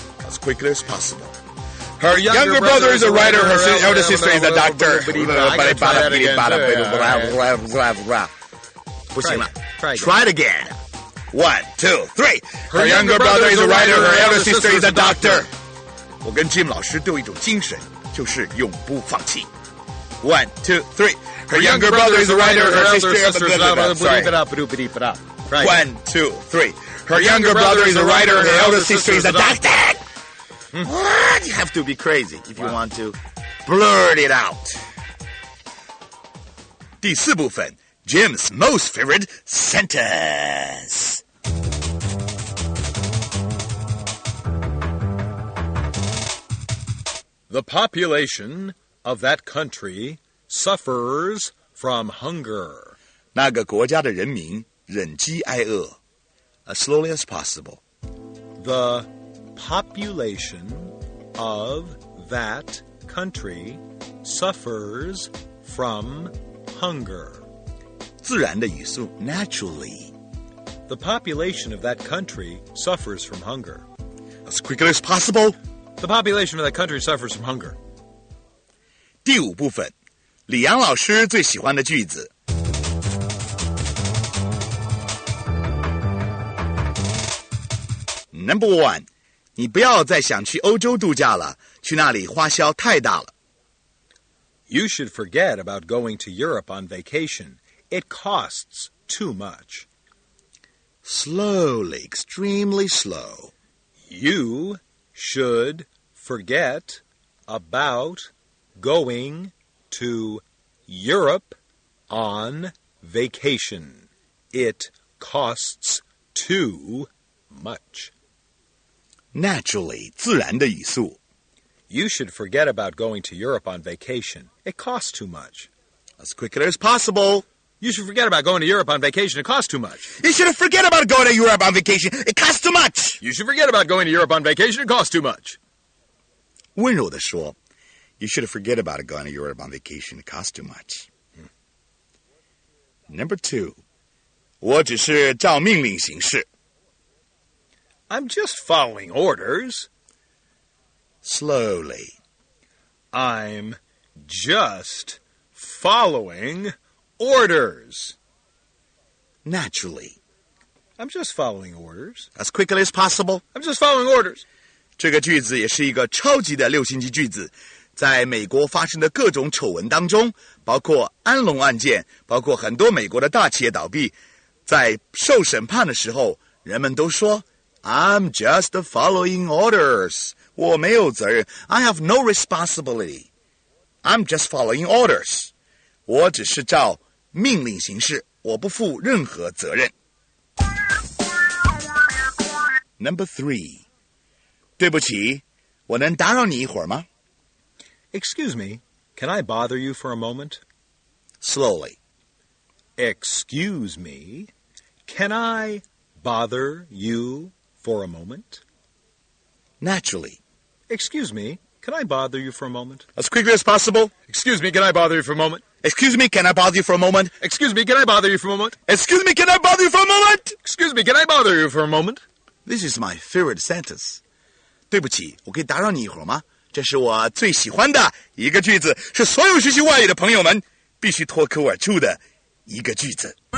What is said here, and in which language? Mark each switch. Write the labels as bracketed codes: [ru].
[en] As quickly as possible. Her younger brother is a writer, her elder sister is a doctor. But if I'm eating bottom, blah, blah, blah, blah, blah, blah. Push him up. Try it again. One, two, three. Her younger brother is a writer, her elder sister is a doctor. [zh] 我跟 Jim 老师都有一种精神，就是永不放弃。 [en] One, two, three. Her younger brother is a writer, her sister is a doctor. One, two, three. Her younger brother is a writer, her elder sister is a doctor. What? You have to be crazy if you want to blurt it out. [zh] 第四部分 [en] Jim's most favorite sentence. The population of that country suffers from hunger. [zh] 那个国家的人民忍饥挨饿 [en] As slowly as possible. The... population of that country suffers from hunger. [zh] 自然的语速 [en] naturally. The population of that country suffers from hunger. As quickly as possible. The population of that country suffers from hunger. [zh] 第五部分，李阳老师最喜欢的句子。 [en] Number one. [zh] 你不要再想去欧洲度假了，去那里花销太大了。 [en] You should forget about going to Europe on vacation. It costs too much. Slowly, extremely slow. You should forget about going to Europe on vacation. It costs too much. Naturally, [zh] 自然的语速。 [en] You should forget about going to Europe on vacation. It costs too much. As quickly as possible. You should forget about going to Europe on vacation. It costs too much. You should forget about going to Europe on vacation. It costs too much. You should forget about going to Europe on vacation. It costs too much. [zh] 温柔地说 [en] You should forget about going to Europe on vacation. It costs too much. Number two. [zh] 我只是照命令行事。 [en] I'm just following orders. Slowly. I'm just following orders. Naturally. I'm just following orders. As quickly as possible. I'm just following orders. [zh] 这个句子也是一个超级的六星级句子。在美国发生的各种丑闻当中，包括安龙案件，包括很多美国的大企业倒闭，在受审判的时候，人们都说 [en] I'm just following orders. [zh] 我没有责任。 [en] I have no responsibility. I'm just following orders. [zh] 我只是照命令行事，我不负任何责任。 [en] Number three. [zh] 对不起，我能打扰你一会儿吗？ [en] Excuse me, can I bother you for a moment? Slowly. Excuse me, can I bother you for a moment? Naturally. Excuse me, can I bother you for a moment? As quickly as possible. Excuse me, can I bother you for a moment? Excuse me, can I bother you for a moment? Excuse me, can I bother you for a moment? Excuse me, can I bother you for a moment? Excuse me, can I bother you for a moment? This is my favorite sentence. [zh] 对不起，我可以打扰你一会儿吗？这是我最喜欢的一个句子，是所有学习外语的朋友们必须脱口而出的一个句子。